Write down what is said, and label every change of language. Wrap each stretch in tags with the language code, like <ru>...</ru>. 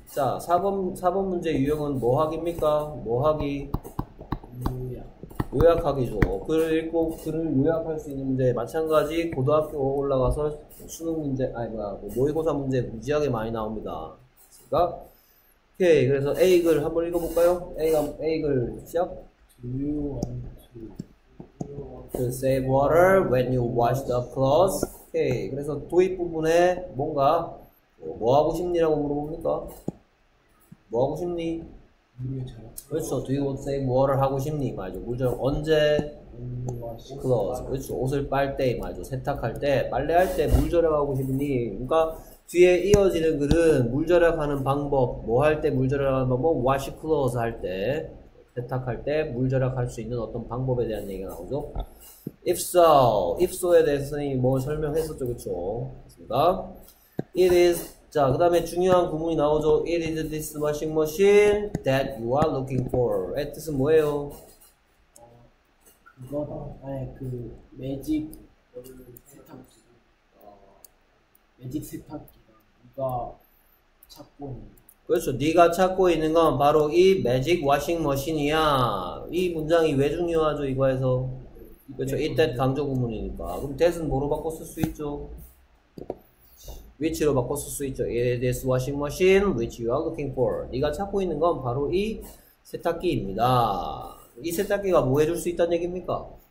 <ko>자, 4번 문제 유형은 뭐하기입니까? 뭐하기? 요약하기죠. 글을 요약할 수 있는 문제. 마찬가지, 고등학교 올라가서 수능 문제, 아니, 뭐야, 모의고사 문제 무지하게 많이 나옵니다. 그니까 오케이. 그래서 A글 한번 읽어볼까요? A글 시작.</ko> <en>To save water when you wash the clothes.</en> <ko>오케이. 그래서 도입 부분에 뭔가 뭐 하고 싶니라고 물어봅니까? 뭐 하고 싶니? 그렇죠. Do you want to save water 하고 싶니? 맞아. 물을 언제? Clothes. 그렇죠. 옷을 빨 때, 맞아. 세탁할 때, 빨래할 때 물 절약하고 싶니? 그러니까 뒤에 이어지는 글은 물 절약하는 방법, 뭐 할 때 물 절약하는 방법, wash clothes 할 때, 세탁할 때 물 절약할 수 있는 어떤 방법에 대한 얘기가 나오죠. If so, if so에 대해서 선생님이 뭐 설명했었죠, 그쵸? 맞습니다. It is, 자, 그 다음에 중요한 구문이 나오죠.</ko> <en>It is this washing machine that you are looking for.</en> <ko>의 뜻은 뭐예요? 그거, 아니, 그, 매직, 세탁기. 매직 세탁기. 네가 찾고 있는. 그렇죠. 네가 찾고 있는 건 바로 이 매직 워싱 머신이야. 이 문장이 왜 중요하죠, 이거에서? 그렇죠. It that 강조 구문이니까. 그럼 that은 뭐로 바꿔 쓸 수 있죠? which로 바꿔 쓸 수 있죠.</ko> <en>It is this washing machine which you are looking for.</en> <ko>네가 찾고 있는 건 바로 이 세탁기입니다. 이 세탁기가 뭐 해줄 수 있다는 얘기입니까?</ko>